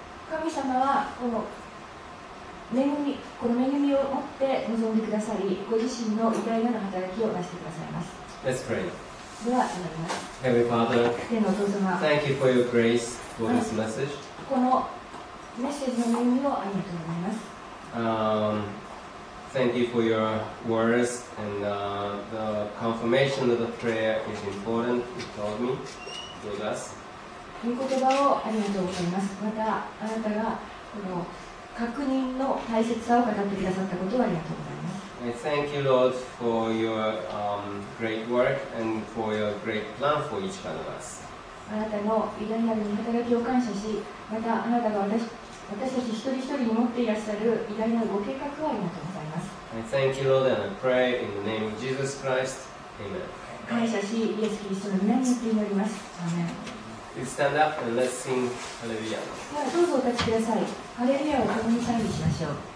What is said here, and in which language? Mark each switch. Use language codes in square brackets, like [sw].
[ja] 神様はこの恵みを持って臨んでくださり、ご自身の偉大なる働きを出してくださいます。 [en] Let's pray. [ja] では祈ります。 [en] Heavenly Father, [ja] 天のお父様、 [en] Thank you for your grace for this message. [ja] このメッセージの恵みをありがとうございます。 [en] Thank you for your words and the confirmation of the prayer is important. You told me, told us. [ja] 御言葉をありがとうございます。またあなたがこの確認の大切さを語ってくださったことをありがとうございます。 [en] I thank you Lord for your great work and for your great plan for each one of us。 [ja] あなたの偉大なる御働きを感謝し、またあなたが 私たち一人一人に持っていらっしゃる偉大なるご計画をありがとうございます。 [en] I thank you Lord and I pray in the name of Jesus Christ. Amen。 [ja] 感謝し、イエス・キリストの名によって祈ります。アーメン。 [en] Please stand up and let's sing Hallelujah. [ja] ではどうぞお立ちください。ハレルヤを共に賛美しましょう。